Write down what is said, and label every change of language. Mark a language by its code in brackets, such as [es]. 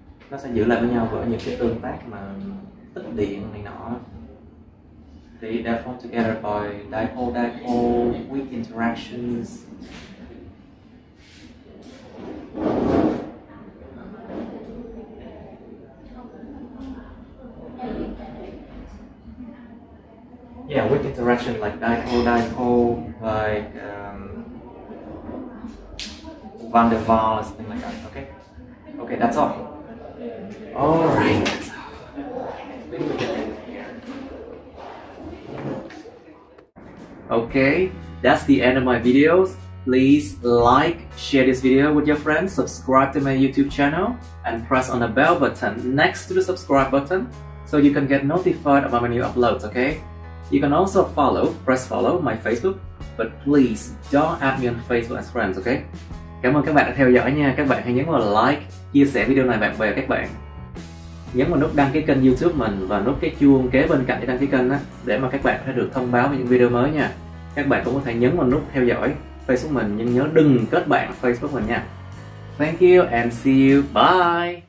[vi] Nó sẽ giữ lại với nhau bởi những cái tương tác mà tích điện này nọ. [en] They are formed together by dipole-dipole weak interactions. Yeah, weak interaction like dipole-dipole, like van der Waal or something like that, okay? Okay, that's all. All right. Okay, that's the end of my videos. Please like, share this video with your friends, subscribe to my YouTube channel, and press on the bell button next to the subscribe button so you can get notified about my new uploads, okay? You can also press follow my Facebook, but please don't add me on Facebook as friends, okay? [vi] Cảm ơn các bạn đã theo dõi nha. Các bạn hãy nhấn vào like, chia sẻ video này bạn bè các bạn. Nhấn vào nút đăng ký kênh YouTube mình và nút cái chuông kế bên cạnh để đăng ký kênh á, để mà các bạn có thể được thông báo về những video mới nha. Các bạn cũng có thể nhấn vào nút theo dõi Facebook mình, nhưng nhớ đừng kết bạn Facebook mình nha. [en] Thank you and see you. Bye.